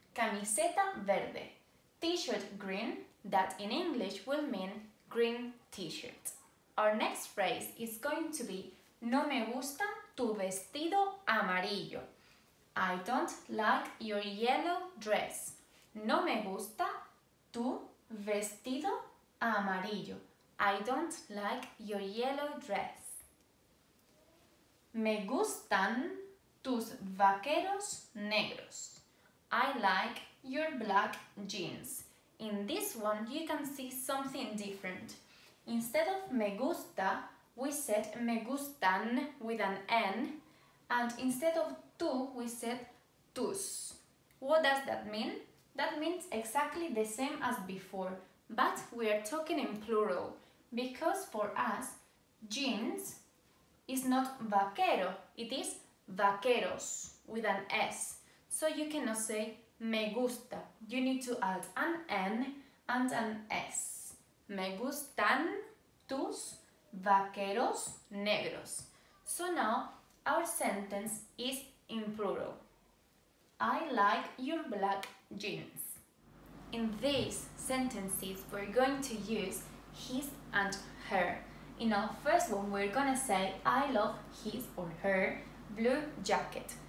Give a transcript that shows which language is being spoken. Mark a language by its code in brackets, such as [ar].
[es] Camiseta verde. [en] T-shirt green, that in English will mean green t-shirt. Our next phrase is going to be, [es] No me gusta tu vestido amarillo. [en] I don't like your yellow dress. [es] No me gusta tu vestido amarillo. [en] I don't like your yellow dress. [es] Me gustan tus vaqueros negros. [en] I like your black jeans. In this one, you can see something different. Instead of me gusta, we said me gustan with an N. And instead of tu, we said tus. What does that mean? That means exactly the same as before, but we are talking in plural. Because for us, jeans is not vaquero, it is vaqueros with an S. So you cannot say me gusta. You need to add an N and an S. [es] Me gustan tus vaqueros negros. [en] So now our sentence is in plural. I like your black jeans. In these sentences, we're going to use his and her. In our first one, we're gonna say, I love his or her blue jacket.